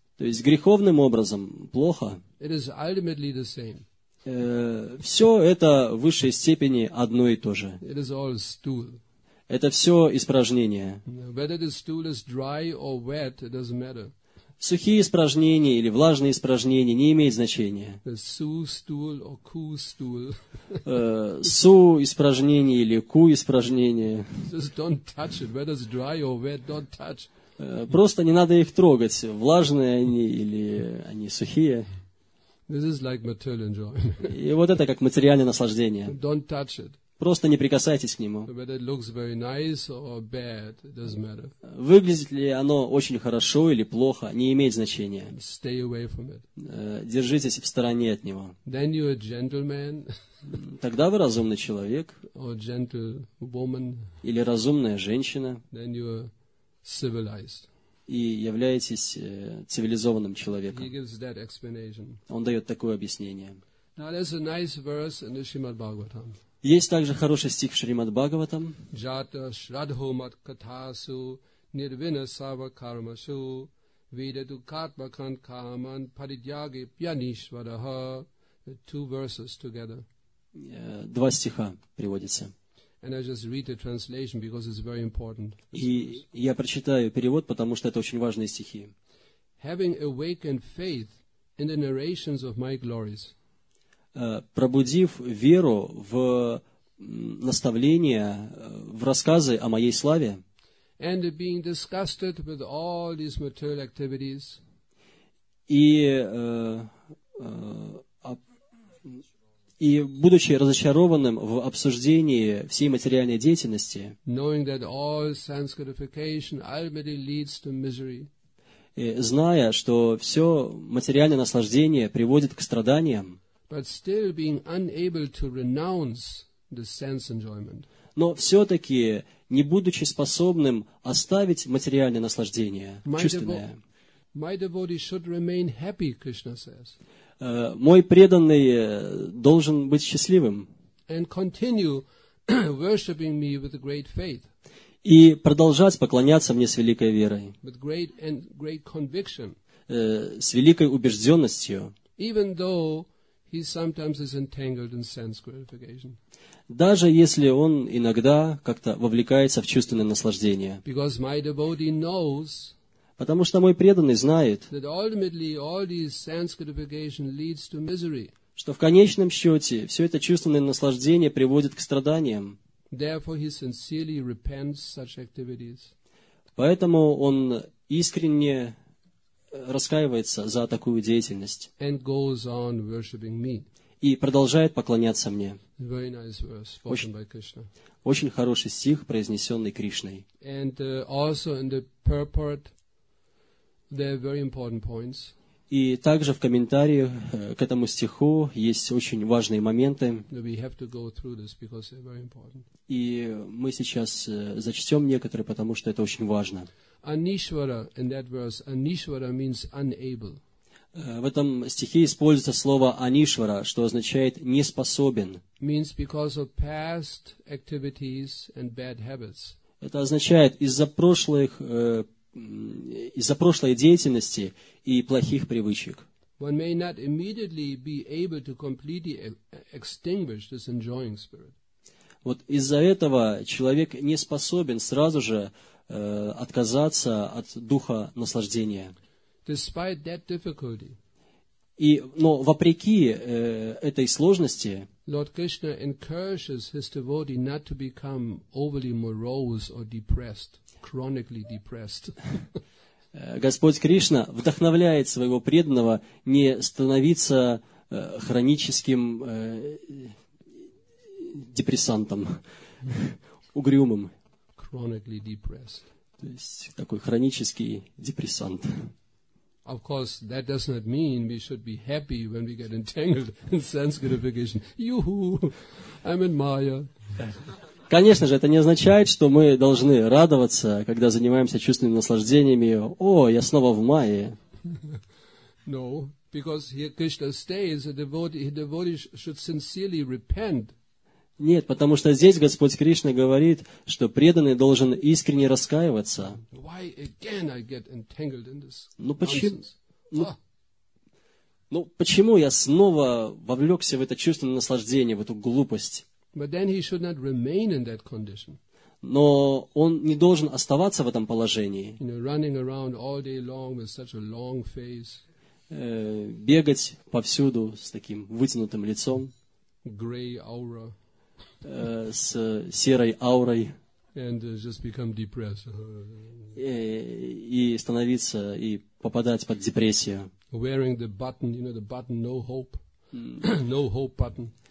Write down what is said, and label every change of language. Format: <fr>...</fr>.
<ru>То есть греховным образом, плохо.</ru> <en>It is ultimately the same.</en> <ru>Все это в высшей степени одно и то же.</ru> <en>It is all stool.</en> <ru>Это все испражнения.</ru> <en>Whether the stool is dry or wet, it doesn't matter.</en> <ru>Сухие испражнения или влажные испражнения не имеют значения.</ru> <en>The su stool or ku stool.</en> <ru>Су испражнение или ку испражнение.</ru> <en>Just don't touch it. Whether it's dry or wet, don't touch.</en> <ru>Просто не надо их трогать. Влажные они или они сухие.</ru> <en>This is like material enjoyment.</en> <ru>И вот это как материальное наслаждение.</ru> <en>Don't touch it.</en> <ru>Просто не прикасайтесь к нему. Выглядит ли оно очень хорошо или плохо, не имеет значения.</ru> <en>Stay away from it.</en> <ru>Держитесь в стороне от него.</ru> <en>Then you're a gentleman.</en> <ru>Тогда вы разумный человек.</ru> <en>Or gentlewoman.</en> <ru>Или разумная женщина.</ru> <en>Then you're civilized.</en> <ru>И являетесь цивилизованным человеком.</ru> <en>He gives that explanation.</en> <ru>Он дает такое объяснение.</ru> <en>Now there's a nice verse in the Shrimad Bhagavatam.</en> <ru>Есть также хороший стих в Шримад Бхагаватам.</ru> <sa>Джата Шрадху Маткатасу Нирвинасава Кармасу Видету Катвакан Каман Паридьяги Пьянишварха.</sa> <en>Two verses together.</en> <ru>Два стиха приводится.</ru> <en>And I just read the translation because it's very important.</en> <ru>И я прочитаю перевод, потому что это очень важные стихи.</ru> <en>Having awakened faith in the narrations of my glories.</en> <ru>Пробудив веру в наставления, в рассказы о моей славе,</ru> <en>and being disgusted with all these material activities,</en> <ru>и будучи разочарованным в обсуждении всей материальной деятельности,</ru> <en>knowing that all sense gratification ultimately leads to misery,</en> <ru>зная, что все материальное наслаждение приводит к страданиям,</ru> <en>but still being unable to renounce the sense enjoyment.</en> <ru>Но все-таки, не будучи способным оставить материальное наслаждение, чувственное.</ru> <en>My devotee should remain happy, Krishna says.</en> <ru>Мой преданный должен быть счастливым.</ru> <en>And continue worshiping me with great faith.</en> <ru>И продолжать поклоняться мне с великой верой.</ru> <en>With great and great conviction.</en> <ru>С великой убежденностью.</ru> <en>Even though he sometimes is entangled in sense gratification.</en> <ru>Даже если он иногда как-то вовлекается в чувственное наслаждение.</ru> <en>Because my devotee knows.</en> <ru>Потому что мой преданный знает,</ru> <en>that ultimately all these sense gratification leads to misery.</en> <ru>Что в конечном счете все это чувственное наслаждение приводит к страданиям.</ru> <en>Therefore he sincerely repents such activities.</en> <ru>Поэтому он искренне раскаивается за такую деятельность.</ru> <en>And goes on worshiping me.</en> <ru>И продолжает поклоняться мне.</ru> <en>Very nice verse spoken by Krishna.</en> <ru>Очень хороший стих, произнесенный Кришной.</ru> <en>And also in the purport, there are very important points.</en> <ru>И также в комментариях к этому стиху есть очень важные моменты.</ru> <en>We have to go through this because they're very important.</en> <ru>И мы сейчас зачтем некоторые, потому что это очень важно.</ru> <en>Anishvara, in that verse, Anishvara means unable.</en> <ru>В этом стихе используется слово Anishvara, что означает неспособен.</ru> <en>Means because of past activities and bad habits.</en> <ru>Это означает из-за прошлой деятельности и плохих привычек.</ru> <en>One may not immediately be able to completely extinguish this enjoying spirit.</en> <ru>Вот из-за этого человек не способен сразу же отказаться от духа наслаждения.</ru> <en>Despite that difficulty,</en> <ru>но вопреки этой сложности,</ru> <en>Lord Krishna encourages his devotee not to become overly morose or depressed, chronically depressed.</en> <ru>Господь Кришна вдохновляет своего преданного не становиться хроническим депрессантом, угрюмым.</ru> <en>Chronically depressed.</en> <ru>То есть такой хронический депрессант.</ru> <en>Of course, that does not mean we should be happy when we get entangled in sense gratification. Yoo-hoo, I'm in Maya.</en> <ru>Конечно же, это не означает, что мы должны радоваться, когда занимаемся чувственными наслаждениями. О, я снова в Майе.</ru> <en>No, because here Krishna stays, a devotee should sincerely repent.</en> <ru>Нет, потому что здесь Господь Кришна говорит, что преданный должен искренне раскаиваться.</ru> <en>Why again I get entangled in this nonsense?</en> <ru>Почему я снова вовлекся в это чувственное наслаждение, в эту глупость?</ru> <en>But then he should not remain in that condition.</en> <ru>Но он не должен оставаться в этом положении.</ru> <en>You know, running around all day long with such a long face.</en> <ru>Бегать повсюду с таким вытянутым лицом.</ru> <en>Gray aura.</en> <ru>С серой аурой.</ru> <en>And just become depressed.</en> <ru>И становиться, и попадать под депрессию.</ru> <en>Wearing the button, you know, the button, no hope. No hope button.</en>